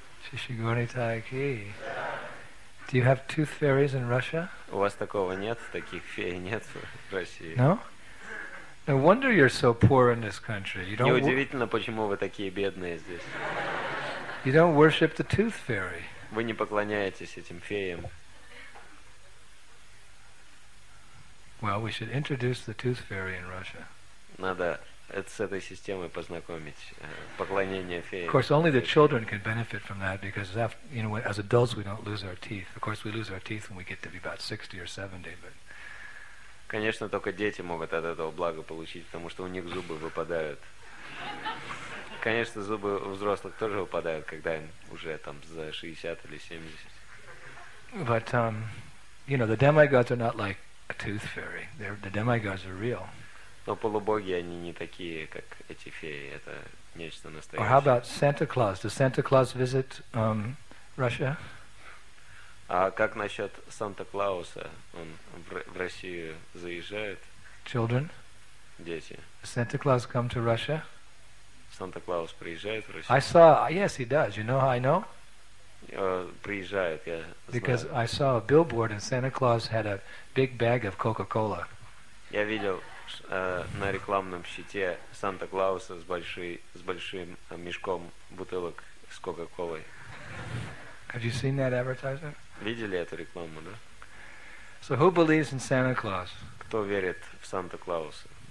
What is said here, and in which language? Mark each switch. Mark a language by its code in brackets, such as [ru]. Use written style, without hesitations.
[en] Шишигуни тайки. Do you have tooth fairies in Russia? [ru] У вас такого нет, таких фей нет в России. [en] No? No wonder you're so poor in this country. You don't. [ru] Неудивительно, почему вы такие бедные здесь. [en] You don't worship the tooth fairy. [ru] Вы не поклоняетесь этим феям. [en] Well, we should introduce the tooth fairy in Russia. [ru] Надо с этой системой познакомить поклонение феям. [en] Of course, only the children can benefit from that because, you know, as adults we don't lose our teeth. Of course, we lose our teeth when we get to be about 60 or 70, but. [ru] Конечно, только дети могут от этого благо получить, потому что у них зубы выпадают. Конечно, зубы у взрослых тоже выпадают, когда им уже там за 60 или 70. [en] But, you know, the demigods are not like a tooth fairy. The demigods are real. [ru] Но полубоги, они не такие, как эти феи. Это нечто настоящее. [en] Or how about Santa Claus? Does Santa Claus visit Russia? [ru] А как насчет Санта-Клауса? Он в Россию заезжает? [en] Children? [ru] Дети. [en] Santa Claus come to Russia? [ru] Санта-Клаус приезжает в Россию? [en] I saw, yes, he does. You know how I know? [ru] Приезжает, я знаю. [en] Because I saw a billboard and Santa Claus had a big bag of Coca-Cola. [ru] Я видел на рекламном щите Санта-Клауса с большим мешком бутылок с Кока-Колой. [en] Have you seen that advertisement? [ru] Видели эту рекламу, да? [en] So who believes in Santa Claus? [ru] Кто верит в Санта-Клауса?